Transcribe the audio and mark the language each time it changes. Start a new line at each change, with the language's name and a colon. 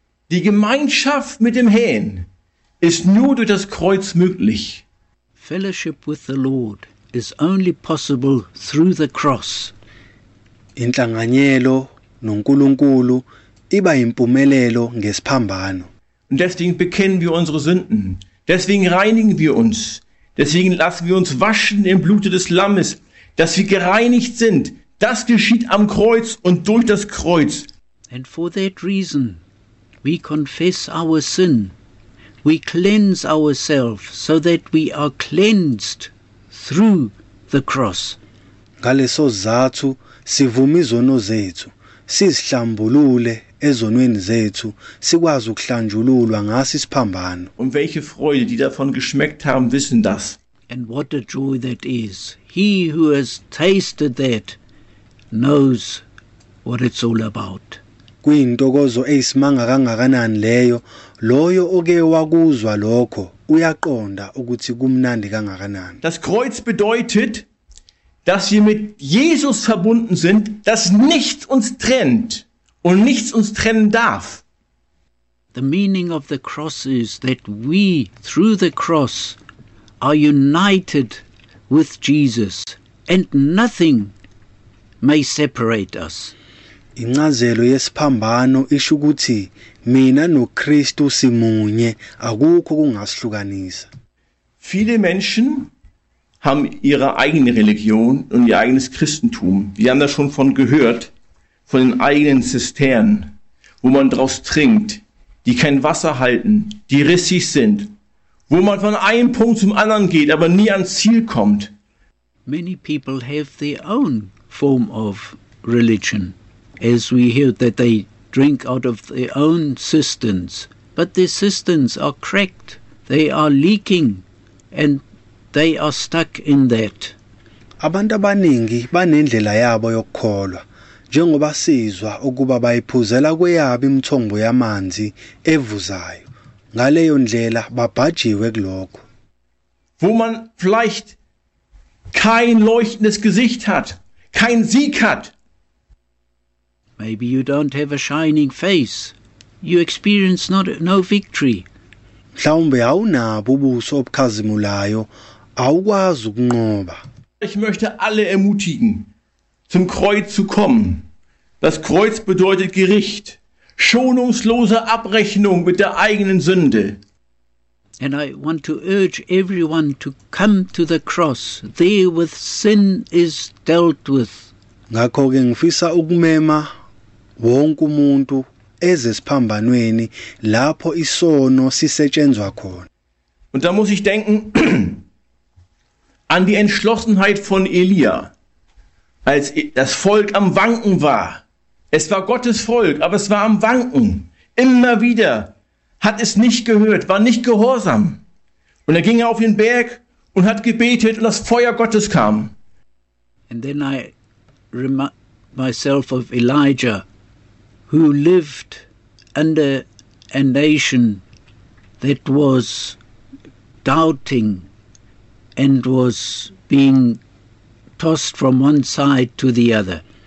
German: Die Gemeinschaft mit dem Herrn ist nur durch das Kreuz möglich.
English: Fellowship with the Lord is only possible through the cross.
Zulu: Inhlanganyelo noNkulunkulu iba impumelelo ngesiphambano.
German: Und deswegen bekennen wir unsere Sünden. Deswegen reinigen wir uns. Deswegen lassen wir uns waschen im Blute des Lammes, dass wir gereinigt sind. Das geschieht am Kreuz und durch das Kreuz.
English: And for that reason, we confess our sin. We cleanse ourselves so that we are cleansed through the cross.
Zulu: Ngaleso zathu sivuma izono zethu, sizihlambulule ezonweni zethu, sikwazi ukuhlanjululwa ngaso isiphambano.
German: Und welche Freude, die davon geschmeckt haben, wissen das.
English: And what a joy that is. He who has tasted that knows what it's all about.
Zulu: Kuyintokozo eyisimanga kangakanani leyo, loyo oke wakuzwa lokho uyaqonda ukuthi kumnandi kangakanani.
German: Das Kreuz bedeutet, dass wir mit Jesus verbunden sind, dass nichts uns trennt und nichts uns trennen darf.
English: The meaning of the cross is that we through the cross are united with Jesus and nothing may separate us.
Zulu: Incazelo yesiphambano isho ukuthi mina noKristu simunye, akukho okungasihlukanisa.
German: Viele Menschen haben ihre eigene Religion und ihr eigenes Christentum. Wir haben das schon von gehört, von den eigenen Zisternen, wo man draus trinkt, die kein Wasser halten, die rissig sind, wo man von einem Punkt zum anderen geht, aber nie ans Ziel kommt.
English: Many people have their own form of religion. As we hear that they drink out of their own cisterns. But their cisterns are cracked. They are leaking. And they are stuck in that.
Zulu: Abantu abaningi banendlela yabo yokukholwa. Njengoba sizwa ukuba bayiphuzela kweyabo imthombo yamanzi evuzayo. Ngaleyo ndlela babhajiwe kulokho.
German: Wo man vielleicht kein leuchtendes Gesicht hat, kein Sieg hat.
English: Maybe you don't have a shining face. You experience no victory.
Zulu: Mhlawumbe awunabo ubuso obukhazimulayo, awukwazi ukunqoba.
German: Ich möchte alle ermutigen, zum Kreuz zu kommen. Das Kreuz bedeutet Gericht, schonungslose Abrechnung mit der eigenen Sünde.
English: And I want to urge everyone to come to the cross. There with sin is dealt with.
Zulu: Ngakho ke ngifisa ukumema wonke umuntu eze siphambanweni lapho isono sisetshenzwa khona.
German: Und da muss ich denken an die Entschlossenheit von Elia, als das Volk am Wanken war. Es war Gottes Volk, aber es war am Wanken. Immer wieder hat es nicht gehört, war nicht gehorsam. Und er ging auf den Berg und hat gebetet und das Feuer Gottes kam.
English: And then I remind myself of Elijah, who lived under a nation that was doubting and was being tossed from one side to the other.